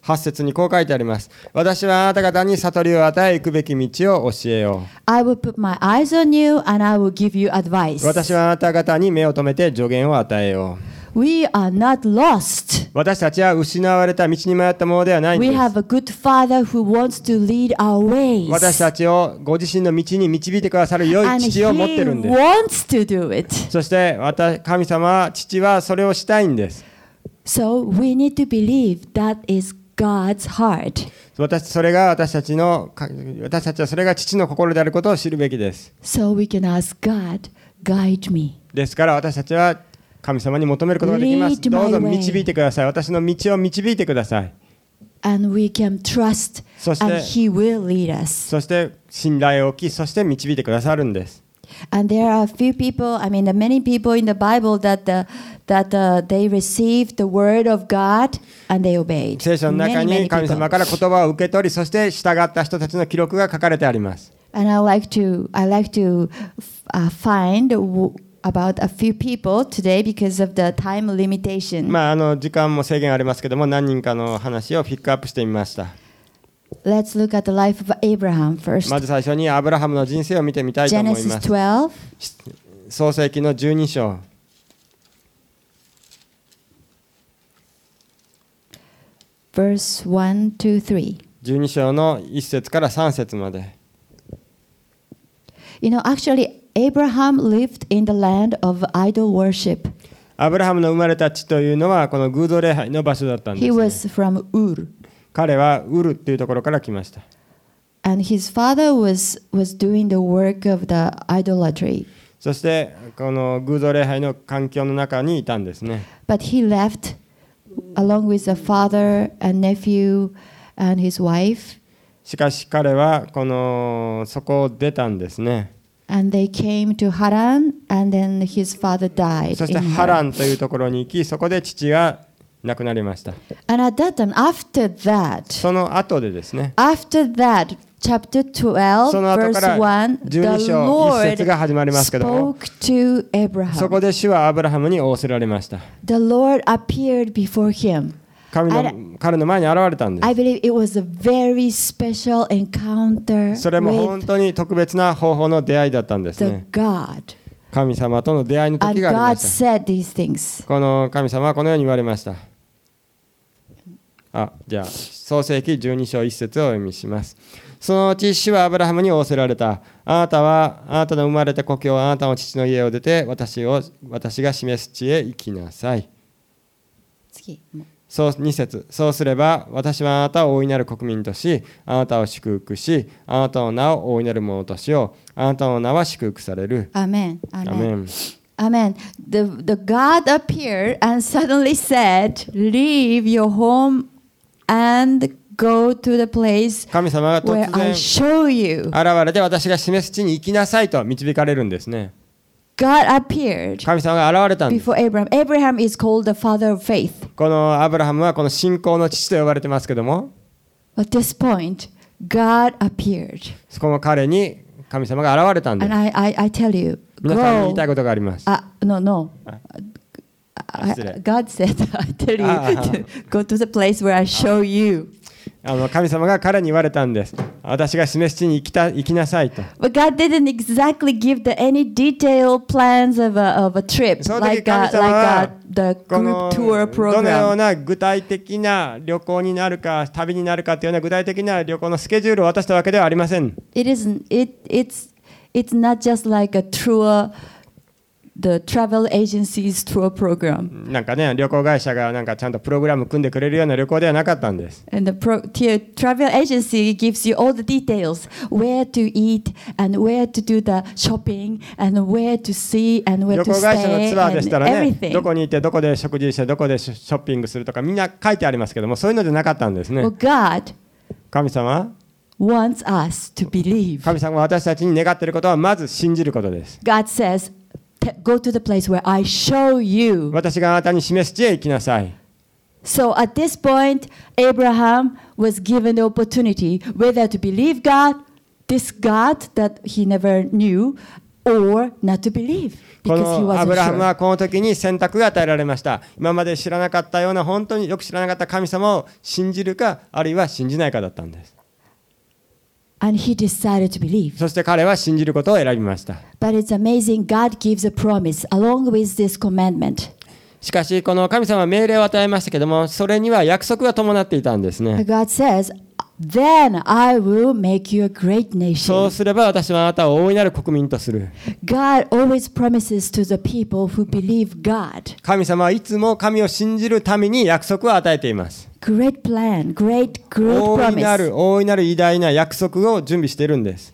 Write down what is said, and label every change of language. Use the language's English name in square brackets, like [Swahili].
[Japanese] 8節にこう書いてあります。私はあなた方に悟りを与え、行くべき道を教えよう。 [English] I will put my eyes on you and I will give you advice. [Japanese] 私はあなた方に目を留めて助言を与えよう。 [English] We are not lost. [Japanese] 私たちは失われた道に迷ったものではないんです。 [English] We have a good father who wants to lead our ways. [Japanese] 私たちをご自身の道に導いてくださる良い父を持ってるんです。 [English] And he wants to do it. [Japanese] そして神様は父はそれをしたいんです。 [English] So we need to believe that is God's heart. [Japanese] 私それが私たちの私たちはそれが父の心であることを知るべきです。 [English] So we can ask God guide me. [Japanese] ですから私たちは神様に求めることができます。どうぞ導いてください。私の道を導いてください。 [English] And we can trust, and He will lead us. [Japanese] そして信頼を置き、そして導いてくださるんです。 [English] And there are a few people, I mean, many people in the Bible that they received the word of God and they obeyed. [Japanese] 聖書の中に神様から言葉を受け取り、そして従った人たちの記録が書かれてあります。 [English] And I like to find. About a few people today because of the time limitation. [Japanese] まあ時間も制限ありますけども何人かの話をピックアップしてみました。 [English] Let's look at the life of Abraham first. [Japanese] まず最初にアブラハムの人生を見てみたいと思います。 [English] Genesis 12. [Japanese] 創世記の12章。 [English] Verse 1, 2, 3. 12 [Japanese] 章の一節から三節まで。 [English] You know, actually. Abraham lived in the land of idol worship. [Japanese] Abraham の生まれた地というのはこの偶像礼拝の場所だったんです、ね。 [English] He was from Ur. [Japanese] 彼はウルというところから来ました。 [English] And his father was doing the work of the idolatry. [Japanese] そしてこの偶像礼拝の環境の中にいたんですね。 [English] But he left along with the father and nephew and his wife. [Japanese] しかし彼はこのそこを出たんですね。 [English] And they came to Haran, and then his father died. [Japanese] そしてハランというところに行き、そこで父が亡くなりました。 [English] And at that time, after that, [Japanese] その後でですね。 [English] After that. Chapter 12, [Japanese] その後から12章1節が始まりますけども、そこで主はアブラハムに仰せられました。 [English] The Lord appeared before him. [Japanese] 彼の前に現れたんです。 [English] I believe it was a very special encounter. [Japanese] それも本当に特別な方法の出会いだったんですね。 [English] The God. [Japanese] 神様との出会いの時がありました。 [English] And God said these things. [Japanese] この神様はこのように言われました。あ、じゃあ創世記12章1節を読みします。そのうち主はアブラハムに仰せられた。あなたはあなたの生まれた故郷、あなたの父の家を出て、私が示す地へ行きなさい。次、そう2節。そうすれば私はあなたを大いなる国民とし、あなたを祝福し、あなたの名を大いなるものとしよう。あなたの名は祝福される。アメン。アメン。アメン。 [English] The God appeared and suddenly said, "Leave your home and Go to the place where I show you." [Japanese] 現れて私が示す地に行きなさいと導かれるんですね。 [English] God appeared. [Japanese] 神様が現れたんです。 [English] Before Abraham. Abraham is called the father of faith. [Japanese] このアブラハムはこの信仰の父と呼ばれてますけども。 [English] At this point, God appeared. [Japanese] そこの彼に神様が現れたんです。 [English] And I tell you, [Japanese] 皆さんに言いたいことがあります。 [English] No. God said, I tell you, go to the place where I show you. [Japanese] 神様が彼に言われたんです。私が示す地に行きなさいと。 [English] But God didn't exactly give the any detailed plans of a trip, like the group tour program. [Japanese] どのような具体的な旅行になるか、旅になるかというような具体的な旅行のスケジュールを渡したわけではありません。 [English] It's not just like a tour. The travel agency's tour program. [Japanese] なんかね、旅行会社がなんかちゃんとプログラム組んでくれるような旅行ではなかったんです。 [English] And the travel agency gives you all the details, where to eat and where to do the shopping and where to see and where to stay. [Japanese] 旅行会社のツアーでしたらね、どこに行ってどこで食事してどこでショッピングするとかみんな書いてありますけども、そういうのでなかったんですね。 [English] Well, God, [Japanese] 神様 [English] wants us to believe. [Japanese] 神様は私たちに願っていることはまず信じることです。 [English] God says. Go to the place where I show you. [Japanese] 私があなたに示す地へ行きなさい。 [English] So at this point, Abraham was given the opportunity whether to believe God, this God that he never knew, or not to believe. [Japanese] このアブラハムはこの時に選択が与えられました。今まで知らなかったような本当によく知らなかった神様を信じるかあるいは信じないかだったんです。 [English] And he decided to believe. [Japanese] そして彼は信じることを選びました。 [English] But it's amazing. God gives a promise along with this commandment. [Japanese] しかしこの神様は命令を与えましたけれども、それには約束が伴っていたんですね。 [English] God says, "Then I will make you a great nation." [Japanese] そうすれば私はあなたを大いなる国民とする。 [English] God always promises to the people who believe God. [Japanese] 神様はいつも神を信じる民に約束を与えています。 [English] Great plan, great promise. [Japanese] 大いなる偉大な約束を準備しているんです。